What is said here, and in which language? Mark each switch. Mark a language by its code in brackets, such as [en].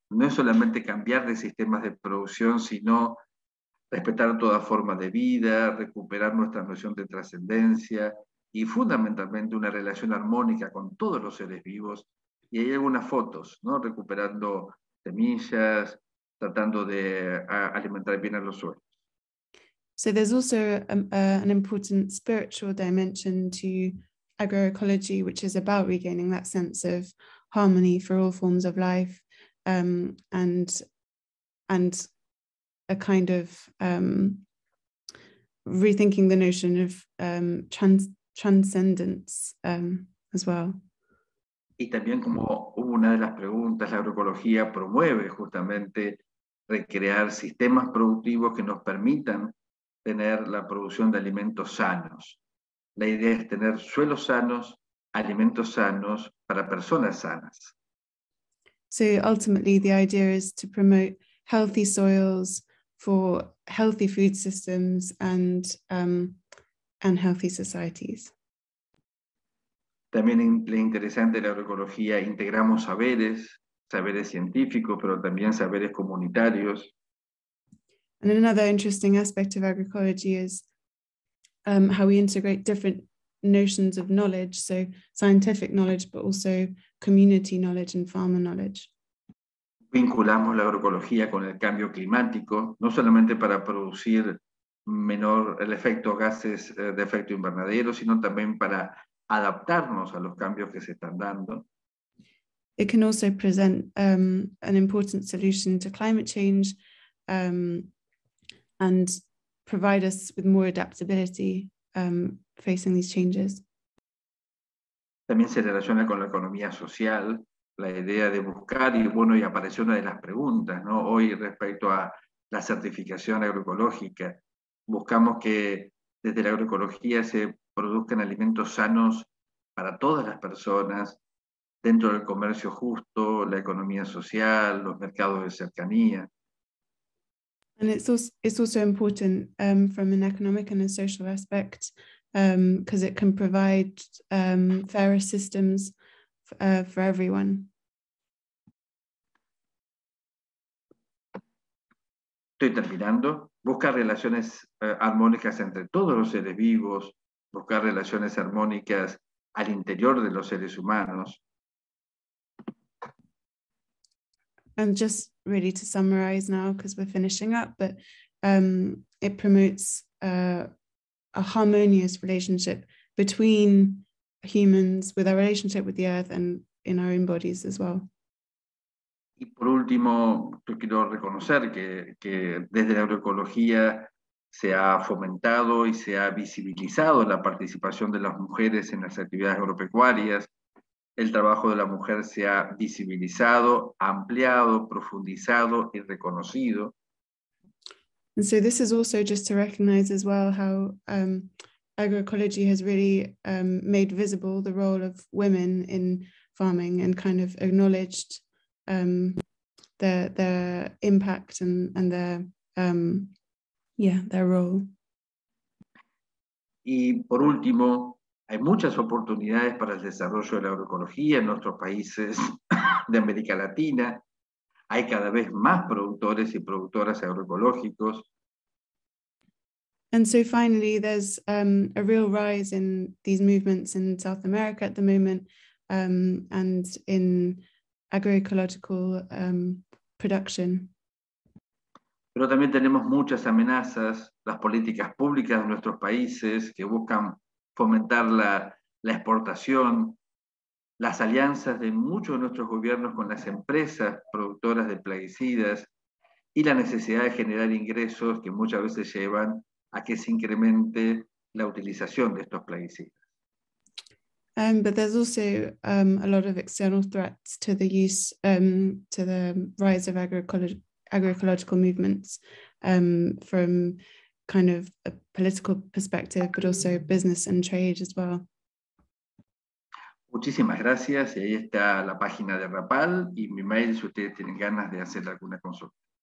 [es] No es solamente cambiar de sistemas de producción, sino respetar toda forma de vida, recuperar nuestra noción de trascendencia y fundamentalmente una relación armónica con todos los seres vivos. Y hay algunas fotos, ¿no? Recuperando semillas, tratando de alimentar bien a los suelos. [en] So there's also an important spiritual dimension to agroecology, which is about regaining that sense of harmony for all forms of life, and a kind of rethinking the notion of transcendence as well. [es] Y también como una de las preguntas, la agroecología promueve justamente recrear sistemas productivos que nos permitan tener la producción de alimentos sanos. La idea es tener suelos sanos, alimentos sanos para personas sanas. [en] So ultimately the idea is to promote healthy soils for healthy food systems and healthy societies. [es] También lo interesante de la agroecología, integramos saberes científicos, pero también saberes comunitarios. [en] And another interesting aspect of agroecology is how we integrate different notions of knowledge, so scientific knowledge, but also community knowledge and farmer knowledge. [es] Vinculamos la agroecología con el cambio climático, no solamente para producir menor el efecto gases de efecto invernadero, sino también para adaptarnos a los cambios que se están dando. [en] It can also present an important solution to climate change and provide us with more adaptability facing these changes. [es] También se relaciona con la economía social, la idea de buscar, y bueno, y apareció una de las preguntas, ¿no? Hoy respecto a la certificación agroecológica, buscamos que desde la agroecología se produzcan alimentos sanos para todas las personas, dentro del comercio justo, la economía social, los mercados de cercanía. [en] And it's also important from an economic and a social aspect, because it can provide fairer systems for everyone. [es] Estoy terminando. Buscar relaciones armónicas entre todos los seres vivos, buscar relaciones armónicas al interior de los seres humanos. [en] And just really to summarize now, because we're finishing up, but it promotes a harmonious relationship between humans with our relationship with the earth and in our own bodies as well. [es] Y por último, yo quiero reconocer que desde la agroecología se ha fomentado y se ha visibilizado la participación de las mujeres en las actividades agropecuarias. El trabajo de la mujer se ha visibilizado, ampliado, profundizado y reconocido. [en] And so this is also just to recognize as well how agroecology has really made visible the role of women in farming and kind of acknowledged their impact and their their role. [es] Y por último, hay muchas oportunidades para el desarrollo de la agroecología en nuestros países de América Latina. Hay cada vez más productores y productoras agroecológicos. [en] And so finally, there's a real rise in these movements in South America at the moment, and in agroecological production. [es] Pero también tenemos muchas amenazas, las políticas públicas de nuestros países que buscan fomentar la exportación, las alianzas de muchos de nuestros gobiernos con las empresas productoras de plaguicidas y la necesidad de generar ingresos que muchas veces llevan a que se incremente la utilización de estos plaguicidas. [en] But there's also a lot of external threats to the use, to the rise of agroecological movements from kind of a political perspective, but also business and trade as well. [es] Muchísimas gracias. Y ahí está la página de Rapal y mi mail si ustedes tienen ganas de hacer alguna consulta.